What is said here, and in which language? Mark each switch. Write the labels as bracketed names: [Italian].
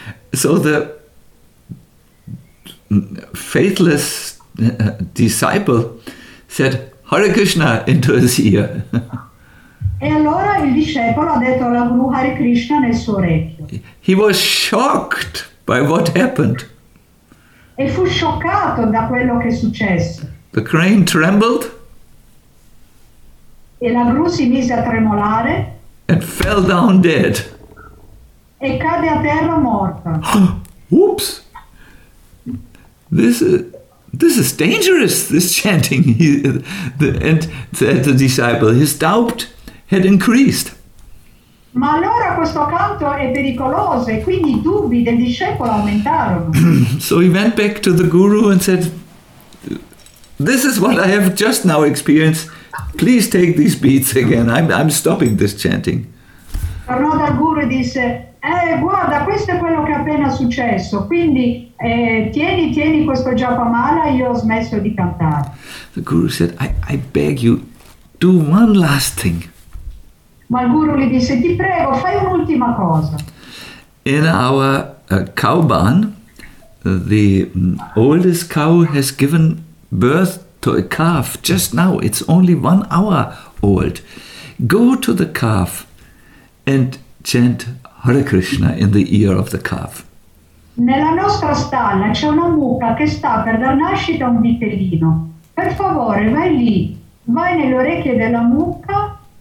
[English] So the faithless disciple said Hare Krishna into his ear. [Italian] E allora il discepolo ha detto alla gru Hare Krishna nel suo orecchio. [English] He was shocked by what happened. [Italian] E fu scioccato da quello che è successo. [English] The crane trembled. [Italian] E la gru si mise a tremolare. [English] And fell down dead. [Italian] E cadde a terra morta. [English] Oops! This is dangerous, this chanting. And said the disciple, his doubt had increased. [Italian] Ma allora questo canto è pericoloso e quindi i dubbi del discepolo aumentarono. [English] So he went back to the guru and said, this is what I have just now experienced. Please take these beads again. I'm stopping this chanting. [Italian] Tornò dal guru e disse, guarda, questo è quello che è appena successo. Quindi tieni questo Japamala, io ho smesso di cantare. [English] The guru said, I beg you, do one last thing. [Italian] Ma il guru gli disse, ti prego, fai un'ultima cosa. [English] In our cow barn, the oldest cow has given birth to a calf just now. It's only 1 hour old. Go to the calf and chant Hare Krishna in the ear of the calf. [Italian] Nella nostra stalla c'è una mucca che sta per dar nascita a un vitellino. Per favore, vai lì, vai nelle orecchie della mucca.